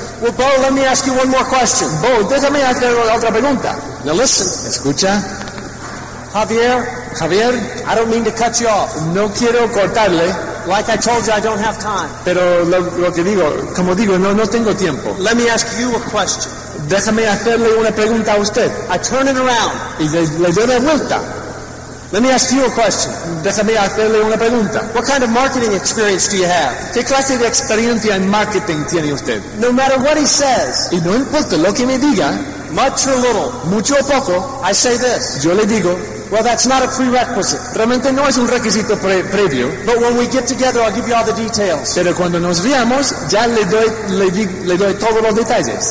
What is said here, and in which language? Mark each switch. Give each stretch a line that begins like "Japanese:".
English: Well, Bo, let me ask you one more question.
Spanish: Bo, déjame hacer otra pregunta.
English: Now listen.
Spanish: Escucha.
English: Javier, I don't mean to cut you off.
Spanish: No quiero cortarle.
English: Like I told you, I don't have time.
Spanish: Pero lo que digo, como digo, no tengo tiempo.
English: Let me ask you a question.
Spanish: Déjame hacerle una pregunta a usted.
English: I turn it around.
Spanish: Y le doy la vuelta.
English: Let me ask you a question.
Spanish: Déjame hacerle una pregunta.
English: What kind of marketing experience do you have?
Spanish: ¿Qué clase de experiencia en marketing tiene usted?
English: No matter what he says.
Spanish: Y no importa lo que me diga.
English: Much or little.
Spanish: Mucho o poco.
English: I say this.
Spanish: Yo le digo.
English: Well, that's not a prerequisite.
Spanish: Realmente no es un requisito previo.
English: But when we get together, I'll give you all the details.
Spanish: Pero cuando nos veamos, ya le doy todos los detalles.